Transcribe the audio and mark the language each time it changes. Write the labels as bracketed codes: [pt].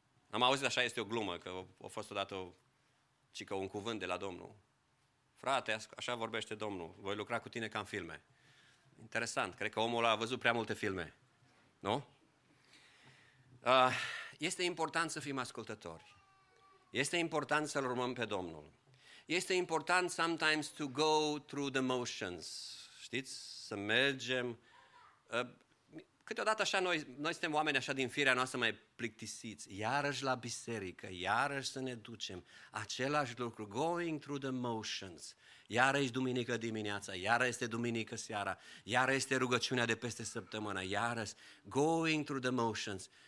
[ro] Am auzit, așa este o glumă, că a fost odată cică un cuvânt de la Domnul. Frate, așa vorbește Domnul, voi lucra cu tine ca în filme. Interesant, cred că omul a văzut prea multe filme, nu? Este important să fim ascultători. Este important să-L urmăm pe Domnul. Este important [en] sometimes to go through the motions. [ro] Știți? Să mergem. Câteodată așa noi suntem oameni așa din firea noastră mai plictisiți. Iarăși la biserică, iarăși să ne ducem. Același lucru, [en] going through the motions. [ro] Iarăși duminică dimineața, iarăși este duminică seara, iarăși este rugăciunea de peste săptămână, iarăși [en] going through the motions.